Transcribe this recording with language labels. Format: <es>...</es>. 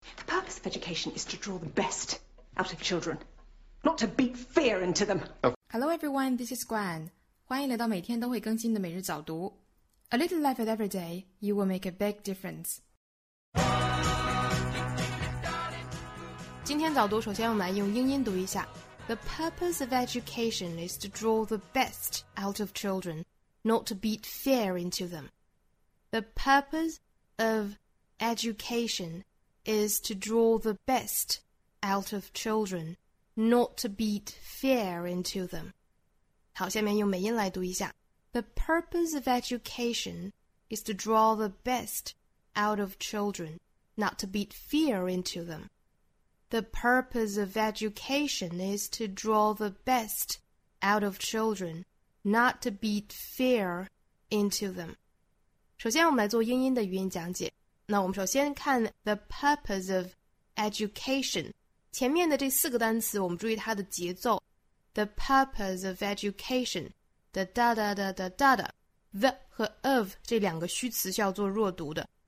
<en>of education is to draw the best out of children, not to beat fear into them. Hello everyone, this is Gwen.</en> <zh>欢迎来到每天都会更新的每日早读。</zh> <en>A little life at every day, you will make a big difference.</en> <zh>今天早读首先我们来用英音读一下。</zh> <en>The purpose of education is to draw the best out of children, not to beat fear into them. The purpose of education is to draw the best out of children, not to beat fear into them.</en> <zh>好，下面用美音来读一下。</zh> <en>The purpose of education is to draw the best out of children, not to beat fear into them. The purpose of education is to draw the best out of children, not to beat fear into them.</en> <zh>首先我们来做英音的语音讲解。那我们首先看</zh> <en>the purpose of education.</en> <zh>前面的这四个单词我们注意它的节奏。</zh> <en>The purpose of education,</en> <zh>the da da da da da da, the 和 of 这两个虚词叫做弱读的。</zh>